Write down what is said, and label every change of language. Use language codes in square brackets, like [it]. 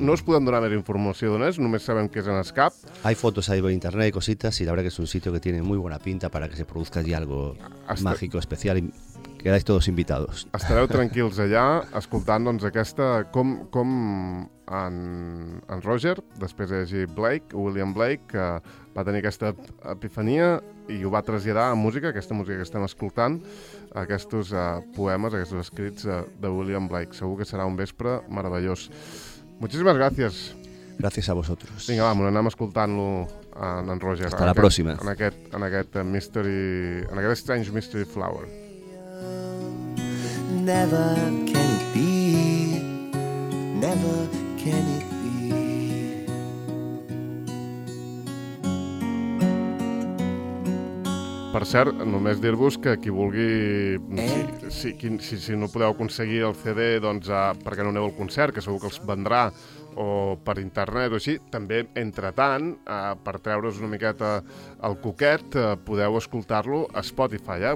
[ca] No us podem donar més informació d'on és, només sabem que és en SCAP. [es] Hay fotos ahí por internet y cositas, y la verdad que es un sitio que tiene muy buena pinta para que se produzca allí algo mágico, especial, y quedáis todos invitados. [ca] Estareu tranquils allà, escoltant doncs, aquesta, com en Roger, després hi hagi Blake, William Blake, que va tenir aquesta epifania i ho va traslladar a música que estem escoltant, aquests poemes, aquests escrits de William Blake. Segur que serà un vespre meravellós. Moltíssimes gràcies. Gràcies a vosaltres. Vinga, vam, anem escoltant-lo en Roger. Hasta la pròxima. En aquest Strange Mystery Flower. [en] Never can it be, never can it be. [ca] Per cert, només dir-vos que qui vulgui, si no podeu aconseguir el CD, doncs perquè no aneu al concert, que segur que els vendrà, o per internet o així, també, entre tant, per treure's una miqueta el coquet, podeu escoltar-lo a Spotify, eh?